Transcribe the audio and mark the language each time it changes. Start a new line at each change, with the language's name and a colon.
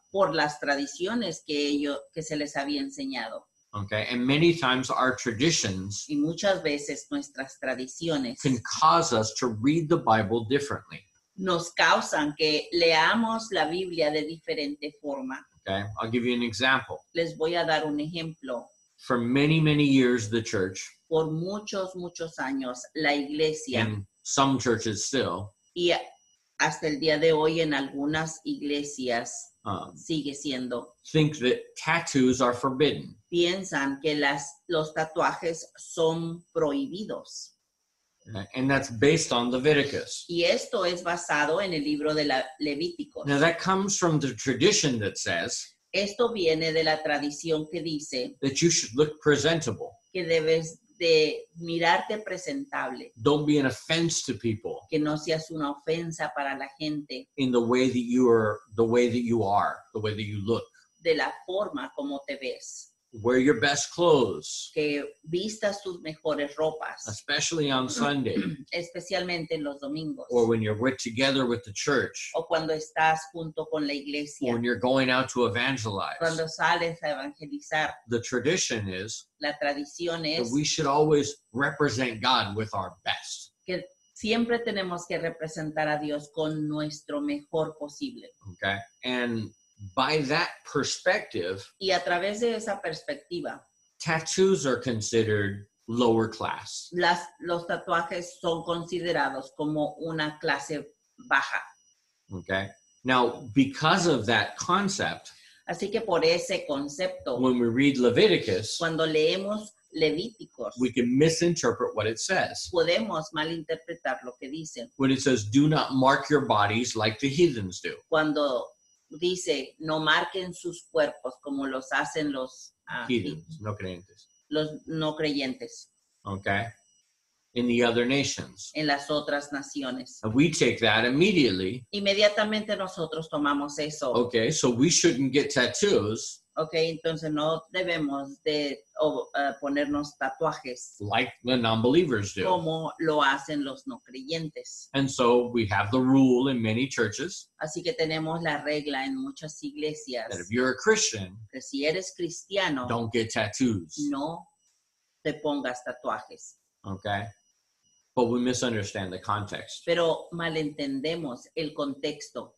Spanish: Por las tradiciones que se les había enseñado.
English: Okay, and many times our traditions
Spanish: y muchas veces nuestras tradiciones
English: can cause us to read the Bible differently.
Spanish: Nos causan que leamos la Biblia de diferente forma.
English: Okay, I'll give you an example.
Spanish: Les voy a dar un ejemplo.
English: For many, many years, the church
Spanish: por muchos, muchos años, la iglesia
English: and some churches still
Spanish: y hasta el día de hoy en algunas iglesias sigue siendo
English: think that tattoos are forbidden.
Spanish: Piensan que los tatuajes son prohibidos.
English: And that's based on Leviticus.
Spanish: Y esto es basado en el libro de Levíticos.
English: Now that comes from the tradition that says
Spanish: esto viene de la tradición que dice
English: that you should look presentable.
Spanish: Que debes de mirarte presentable.
English: Don't be an offense to people.
Spanish: Que no seas una ofensa para la gente.
English: In the way that you are, the way that you are, the way that you look.
Spanish: De la forma como te ves.
English: Wear your best clothes.
Spanish: Que vistas tus mejores ropas.
English: Especially on Sunday.
Spanish: Especialmente en los domingos.
English: Or when you're together with the church.
Spanish: O cuando estás junto con la iglesia.
English: Or when you're going out to evangelize.
Spanish: Cuando sales a evangelizar.
English: The tradition is.
Spanish: La tradición es.
English: That we should always represent God with our best.
Spanish: Que siempre tenemos que representar a Dios con nuestro mejor posible.
English: Okay. And by that perspective,
Spanish: y a través de esa perspectiva,
English: tattoos are considered lower class.
Spanish: Los tatuajes son considerados como una clase baja.
English: Okay. Now, because of that concept,
Spanish: así que por ese concepto,
English: when we read Leviticus,
Spanish: cuando leemos Levíticos,
English: we can misinterpret what it says.
Spanish: Podemos malinterpretar lo que dicen.
English: When it says, "Do not mark your bodies like the heathens do."
Spanish: Cuando dice, no marquen sus cuerpos como los hacen los heathens, no creyentes. Los no creyentes.
English: Okay. In the other nations.
Spanish: En las otras naciones.
English: And we take that immediately.
Spanish: Inmediatamente nosotros tomamos eso.
English: Okay, so we shouldn't get tattoos.
Spanish: Okay, entonces no debemos de ponernos tatuajes.
English: Like the non-believers do.
Spanish: Como lo hacen los no creyentes.
English: And so we have the rule in many churches.
Spanish: Así que tenemos la regla en muchas iglesias.
English: That if you're a Christian.
Spanish: Que si eres cristiano.
English: Don't get tattoos.
Spanish: No te pongas tatuajes.
English: Okay. But we misunderstand the context.
Spanish: Pero malentendemos el contexto.